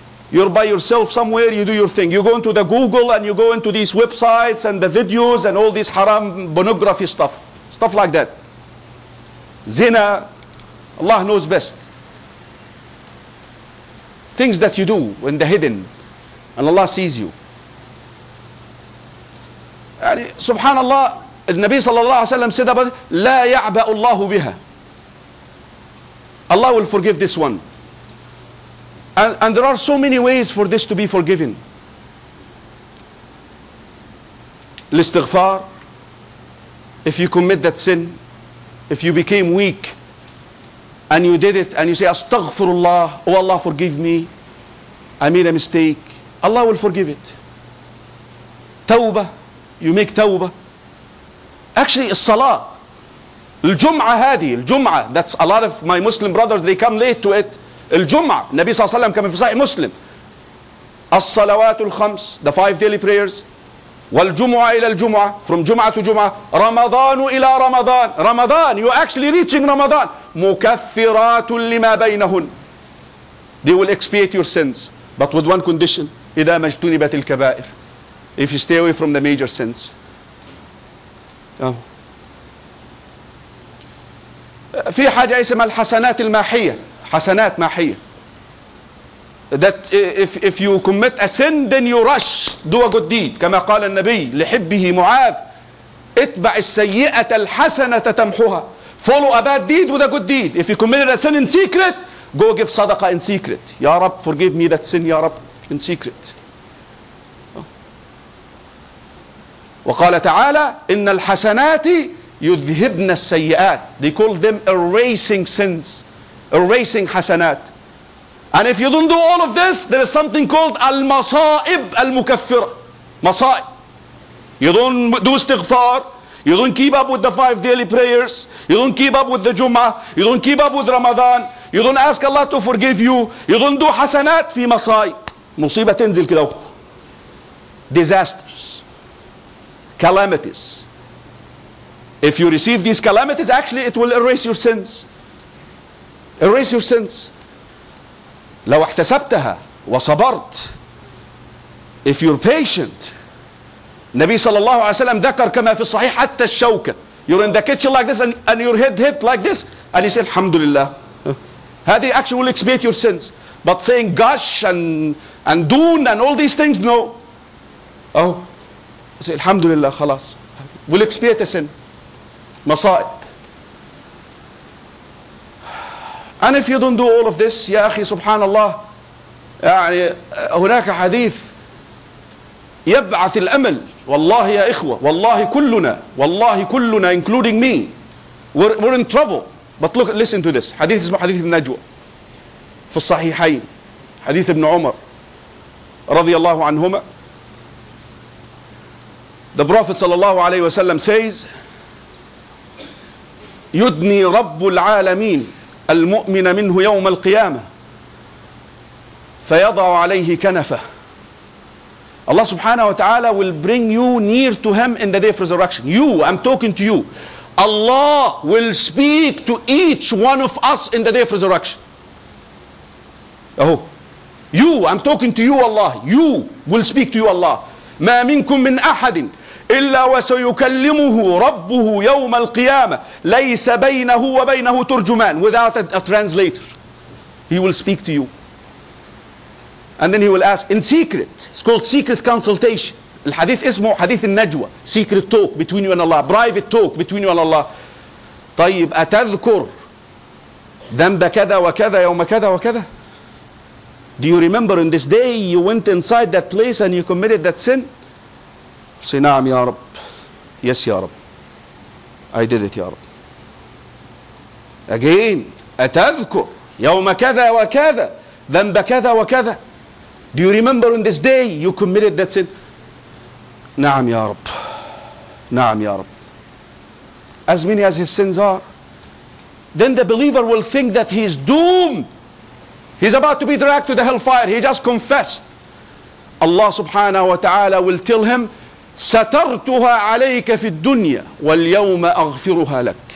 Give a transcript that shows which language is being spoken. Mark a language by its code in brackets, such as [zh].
[en] You're by yourself somewhere, you do your thing. You go into the Google and you go into these websites and the videos and all these haram pornography stuff. Stuff like that. Zina, Allah knows best. Things that you do in the hidden, and Allah sees you. [ar] يعني سبحان الله, النبي صلى الله عليه وسلم [en] said about [ar] لا يعبأ الله بها. [en] Allah will forgive this one. And there are so many ways for this to be forgiven. الاستغفار, if you commit that sin, if you became weak and you did it and you say [ar] استغفر الله, [en] oh Allah forgive me, I made a mistake, Allah will forgive it. توبة, you make توبة. Actually, الصلاه, [ar] الجمعة هذه, [en] الجمعة, that's a lot of my Muslim brothers, they come late to it. [ar] الجمعة, النبي صلى الله عليه وسلم كان في صحيح مسلم. الصلوات الخمس, [en] the five daily prayers. [ar] والجمعة إلى الجمعة, from جمعة to جمعة. رمضان إلى رمضان, رمضان, [en] you're actually reaching [ar] رمضان. مكفرات لما بينهن. [en] They will expiate your sins, but with one condition, [ar] إِذَا مَجْتُنِبَتِ الْكَبَائِرِ, [en] if you stay away from the major sins. [ar] في حاجة اسمها الحسنات الماحية, حسنات ماحية, [en] that if you commit a sin, then you rush, do a good deed. [ar] كما قال النبي لحبه معاذ, اتبع السيئة الحسنة تمحها. [en] Follow a bad deed with a good deed. If you committed a sin in secret, go give sadaqah in secret. Ya Rab, forgive me that sin, Ya Rab, in secret. [ar] وقال تعالى, إن الحسنات يذهبن السيئات. [en] They call them erasing sins, erasing حسنات. And if you don't do all of this, there is something called [ar] المصائب المكفرة. مصائب. [en] You don't do استغفار. You don't keep up with the five daily prayers. You don't keep up with the Jummah. You don't keep up with Ramadan. You don't ask Allah to forgive you. You don't do [ar] حسنات في مصائب. مصيبة تنزل كده. Disasters. [en] calamities. If you receive these calamities, actually it will erase your sins. Erase your sins. [ar] لو احتسبتها وصبرت. [en] If you're patient. [ar] Nabi sallallahu alayhi wa sallam ذكر كما في الصحيح حتى الشوكة. [en] You're in the kitchen like this and your head hit like this. And he said, Alhamdulillah. هذه actually will expiate your sins. But saying gush and dun and all these things, no. Oh. I say, Alhamdulillah, khalas. Will expiate a sin. مصائب. And if you don't do all of this, [ar] يا أخي سبحان الله, يعني هناك حديث يبعث الأمل. والله يا إخوة, والله كلنا, [en] including me, we're in trouble. But look, listen to this. [ar] حديث اسمه حديث النجوى في الصحيحين. حديث ابن عمر رضي الله عنهما. The Prophet صلى الله عليه وسلم says, يدني رب العالمين المؤمن منه يوم القيامة فيضع عليه كنفه. [en] Allah subhanahu wa ta'ala will bring you near to him in the day of resurrection. You, I'm talking to you. Allah will speak to each one of us in the day of resurrection. Oh, you, I'm talking to you, Allah. You will speak to you, Allah. [ar] ما منكم من أحد إلا وسيكلمه ربه يوم القيامة ليس بينه وبينه ترجمان. [en] Without a translator, he will speak to you. And then he will ask in secret. It's called secret consultation. [ar] الحديث اسمه حديث النجوى. [en] Secret talk between you and Allah. Private talk between you and Allah. [ar] طيب أتذكر ذنب كذا وكذا يوم كذا وكذا. [en] Do you remember in this day you went inside that place and you committed that sin? [ar] Say نعم يا رب. Yes يا رب. [en] I did it يا رب. Again. [ar] أتذكر يوم كذا وكذا ذنب كذا وكذا. [en] Do you remember on this day you committed that sin? [ar] نعم يا رب. نعم يا رب. [en] As many as his sins are, then the believer will think that he is doomed. He's about to be dragged to the hellfire. He just confessed. Allah subhanahu wa ta'ala will tell him, [ar] سترتها عليك في الدنيا واليوم أغفرها لك.